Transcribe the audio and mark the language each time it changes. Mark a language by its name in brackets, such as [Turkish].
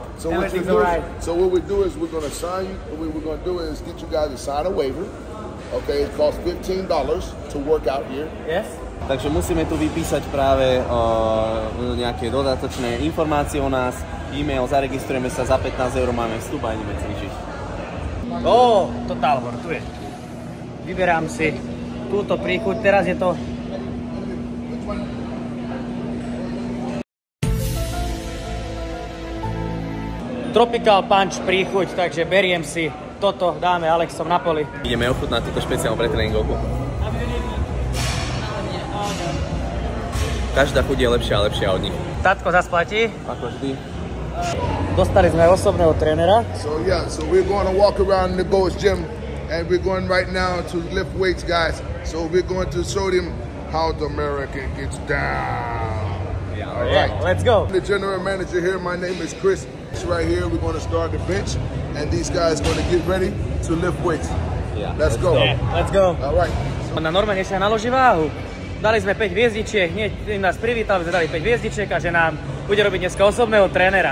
[English] So everything's all right. So what we do is we're going to sign you. What we're going to do is get you guys to sign a waiver. Okay, it costs $15 to work out here. Yes. [Slovak] Takže musíme tu vypísať práve nejaké dodatočné informácie o nás. E-mail, zaregistrujeme sa, za 15 eur máme vstup a ideme cvičiť. Ó, to Talbor, tu je. Vyberám si túto príchuť, teraz je to... Tropical Punch príchuť, takže beriem si toto, dáme Alexom na poli. Ideme ochutnať túto špeciálnu pretréningovku. Každá chuť je lepšia a lepšia od nich. Tatko zas platí. Ako vždy. Dostali sme osobného trénera. [English] So yeah, so we're going to walk around the Gold's Gym and we're going right now to lift weights, guys. So we're going to show them how the American gets down. Yeah, all right. Yeah, let's go. The general manager here, my name is Chris. It's right here, we're going to start the bench and these guys are going to get ready to lift weights. Yeah. Let's go. Yeah, let's go. All right. [Slovak] So, na normálne sa naloží váhu. Dali sme 5 hviezdičiek, hneď nás privítal, sme dali 5 hviezdičiek a že nám bude robiť dneska osobného trénera.